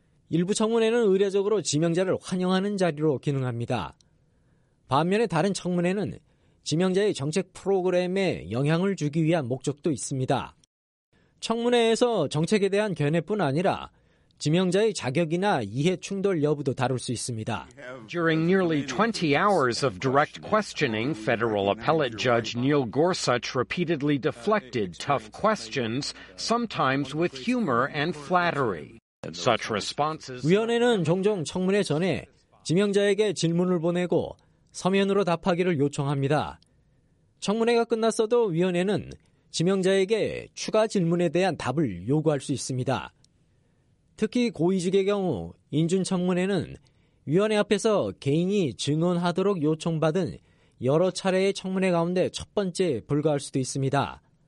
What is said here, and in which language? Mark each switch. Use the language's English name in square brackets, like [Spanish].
[Korean] 일부 청문회는 의례적으로 지명자를 환영하는 자리로 기능합니다. 반면에 다른 청문회는 지명자의 정책 프로그램에 영향을 주기 위한 목적도 있습니다. 청문회에서 정책에 대한 견해뿐 아니라 지명자의 자격이나 이해 충돌 여부도 다룰 수 있습니다. [English] During nearly 20 hours of direct questioning, federal appellate judge Neil Gorsuch repeatedly deflected tough questions, sometimes with humor and flattery. Such responses. [Korean] 위원회는 종종 청문회 전에 지명자에게 질문을 보내고 서면으로 답하기를 요청합니다. 청문회가 끝났어도 위원회는 지명자에게 추가 질문에 대한 답을 요구할 수 있습니다. 특히 고위직의 경우 인준청문회는 위원회 앞에서 개인이 증언하도록 요청받은 여러 차례의 청문회 가운데 첫 번째에 불과할 수도 있습니다.